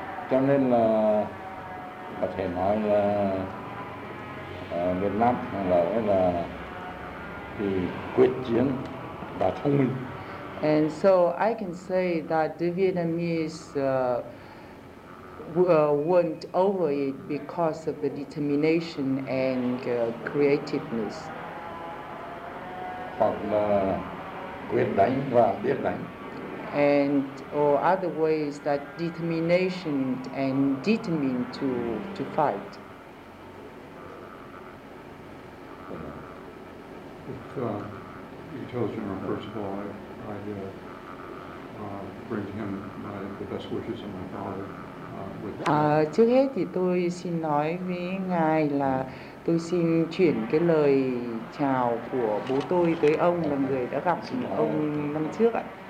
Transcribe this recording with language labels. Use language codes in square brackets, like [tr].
[vi] Cho nên là có thể nói là Việt Nam thắng lợi là vì quyết chiến và thông minh. [en] And so I can say that the Vietnamese won over it because of the determination and creativeness. [vi] Hoặc là quyết đánh và biết đánh. [en] And or other ways that determination and determined to fight. You tell General, first of all, I bring him the best wishes of my father. [vi] Trước hết thì tôi xin nói với ngài là tôi xin chuyển cái lời chào của bố tôi tới ông là người đã gặp ông năm trước ạ.